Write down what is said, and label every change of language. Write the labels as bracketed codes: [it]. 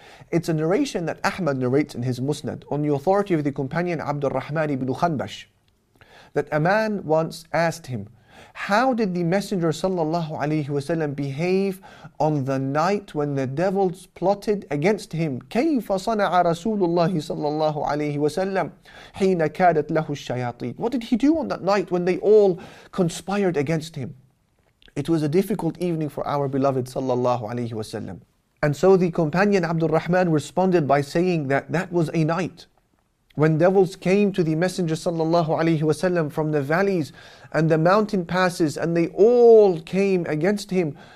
[en] It's a narration that Ahmad narrates in his Musnad on the authority of the companion Abdul Rahman ibn Khanbash, that a man once asked him, "How did the Messenger sallallahu alayhi wasallam behave on the night when the devils plotted against him? [ar] كَيْفَ صَنَعَ رَسُولُ اللَّهِ sallallahu alayhi wasallam حِينَ كَادَتْ لَهُ الشَّيَاطِينَ?" [en] What did he do on that night when they all conspired against him? It was a difficult evening for our beloved sallallahu alayhi wasallam. And so the companion Abdul Rahman responded by saying that that was a night when devils came to the Messenger sallallahu alayhi wasallam from the valleys and the mountain passes, and they all came against him.